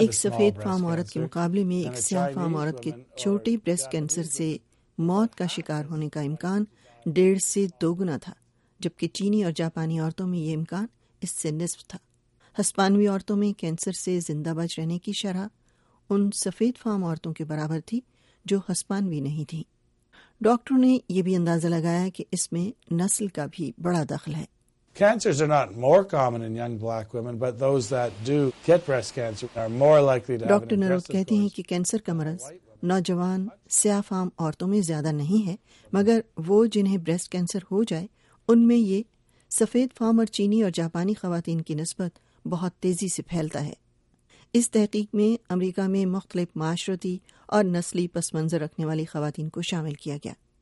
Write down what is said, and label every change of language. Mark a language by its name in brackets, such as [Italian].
[Urdu] ایک سفید فام عورت کے مقابلے میں ایک سیاہ فام عورت کے چھوٹے بریسٹ کینسر سے موت کا شکار ہونے کا امکان [English] 1.5 to 2 times [Urdu] تھا, جبکہ چینی اور جاپانی عورتوں میں یہ امکان اس سے نصف تھا. ہسپانوی عورتوں میں کینسر سے زندہ بچ رہنے کی شرح ان سفید فام عورتوں کے برابر تھی جو ہسپانوی نہیں تھیں. ڈاکٹروں نے یہ بھی اندازہ لگایا کہ اس میں نسل کا بھی بڑا دخل ہے. [English] Cancers are not more common in young black women, but those that do get breast cancer are more likely to have it. [Urdu] Doctor نروت کہتے ہیں کہ کینسر کا مرض نوجوان سیاہ فام عورتوں میں زیادہ نہیں ہے, مگر وہ جنہیں بریسٹ کینسر ہو جائے ان میں یہ سفید فام اور چینی اور جاپانی خواتین کی نسبت بہت تیزی سے پھیلتا ہے. اس تحقیق میں امریکہ میں مختلف معاشرتی اور نسلی پس منظر رکھنے والی خواتین کو شامل کیا گیا.